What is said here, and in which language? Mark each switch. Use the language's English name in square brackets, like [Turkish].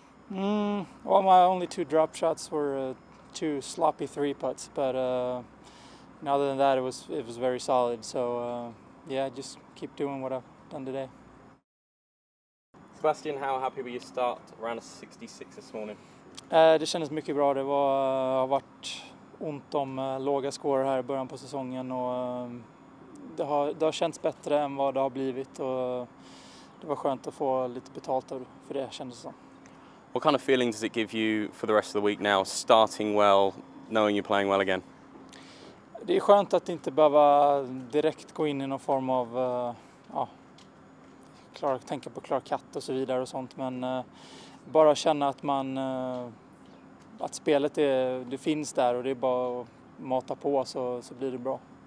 [English] Well, my only two drop shots were two sloppy three putts, but other than that, it was very solid. So just keep doing what I've done today. Sebastian, how happy were you start round 66 this morning? [Swedish] Det kändes mycket bra. Det var har varit ont om låga score här [English] I [Swedish] början på säsongen och det har känts bättre än vad det har blivit och det var skönt att få lite betalt för det kändes som. [English] What kind of feeling does it give you for the rest of the week now, starting well, knowing you're playing well again? [Swedish] Det är skönt att inte behöva direkt gå in [English] I [Swedish] någon form av tänka på klar katt och så vidare och sånt, men bara känna att man att spelet är det finns där och det är bara att mata på så blir det bra.